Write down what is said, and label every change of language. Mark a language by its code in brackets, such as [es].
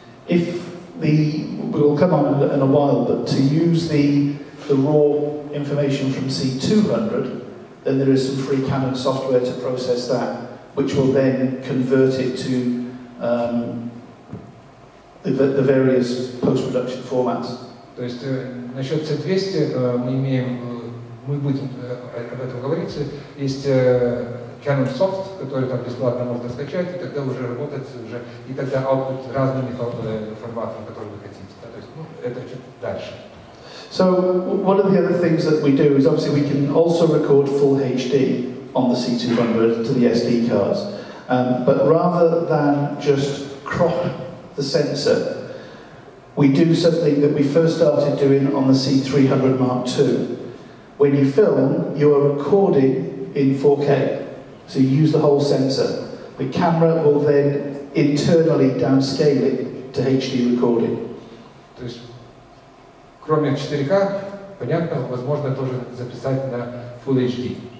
[en] If the we'll come on in a while, but to use the raw information from C200, then there is some free Canon software to process that, which will then convert it to the various post-production formats. [ru] То есть насчет C200 мы будем об этом говорить. Есть Canon Soft, который там бесплатно можно скачать, и тогда уже работать уже, и тогда output разными форматами, которые вы хотите. То есть, ну, это чуть дальше. [en] So one of the other things that we do is obviously we can also record full HD on the C200 to the SD cards. But rather than just crop the sensor, we do something that we first started doing on the C300 Mark II. When you film, you are recording in 4K, so you use the whole sensor. The camera will then internally downscale it to HD recording. [ru] То есть, кроме 4K, понятно, возможно тоже записать на Full HD.